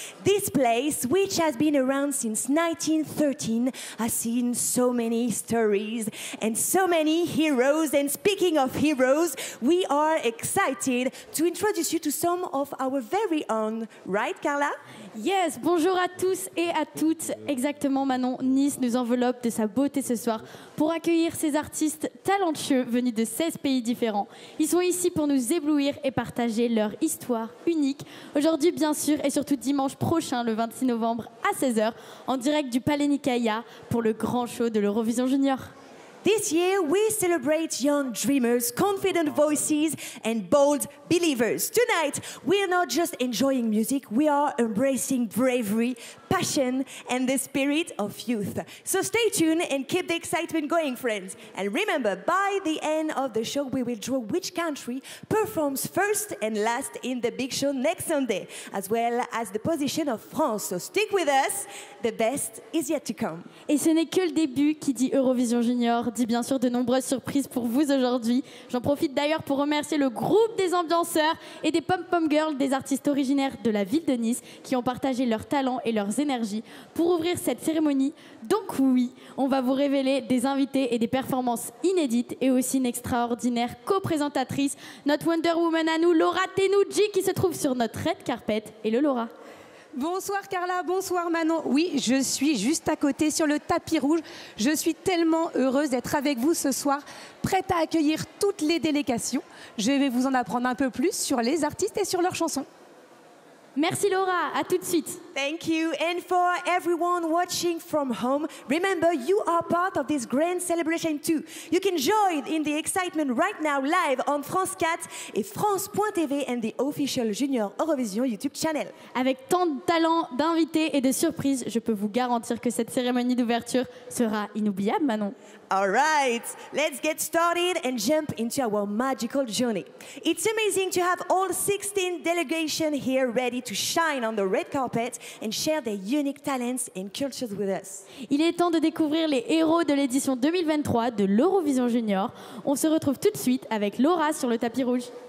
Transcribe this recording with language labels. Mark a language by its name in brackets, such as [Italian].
[English] This place, which has been around since 1913, has seen so many stories and so many heroes. And speaking of heroes, we are excited to introduce you to some of our very own, right, Carla? [French] Yes, bonjour à tous et à toutes. Exactement, Manon, Nice nous enveloppe de sa beauté ce soir pour accueillir ces artistes talentueux venus de 16 pays différents. Ils sont ici pour nous éblouir et partager leur histoire unique. Aujourd'hui, bien sûr, et surtout dimanche prochain, le 26 novembre à 16h, en direct du Palais Nicaïa pour le grand show de l'Eurovision Junior. [English] This year, we celebrate young dreamers, confident voices, and bold believers. Tonight, we are not just enjoying music, we are embracing bravery, passion, and the spirit of youth. So stay tuned and keep the excitement going, friends. And remember, by the end of the show, we will draw which country performs first and last in the big show next Sunday, as well as the position of France. So stick with us, the best is yet to come. [French] Et ce n'est que le début, qui dit Eurovision Junior, dit bien sûr de nombreuses surprises pour vous aujourd'hui. J'en profite d'ailleurs pour remercier le groupe des ambianceurs et des pom-pom girls, des artistes originaires de la ville de Nice qui ont partagé leurs talents et leurs énergies pour ouvrir cette cérémonie. Donc oui, on va vous révéler des invités et des performances inédites et aussi une extraordinaire co-présentatrice, notre Wonder Woman à nous, Laura Tenuji, qui se trouve sur notre red carpet. [English] Hello Laura. [French] Bonsoir Carla, bonsoir Manon. Oui, je suis juste à côté sur le tapis rouge. Je suis tellement heureuse d'être avec vous ce soir, prête à accueillir toutes les délégations. Je vais vous en apprendre un peu plus sur les artistes et sur leurs chansons. Merci Laura, à tout de suite. [English] Thank you, and for everyone watching from home, remember you are part of this grand celebration too. You can join in the excitement right now live on France 4 et France.tv and the official Junior Eurovision YouTube channel. [French] Avec tant de talents, d'invités et de surprises, je peux vous garantir que cette cérémonie d'ouverture sera inoubliable, Manon. [English] All right, let's get started and jump into our magical journey. It's amazing to have all 16 delegations here ready to shine on the red carpet and share their unique talents and cultures with us. [French] Il est temps de découvrir les héros de l'édition 2023 de l'Eurovision Junior. On se retrouve tout de suite avec Laura sur le tapis rouge.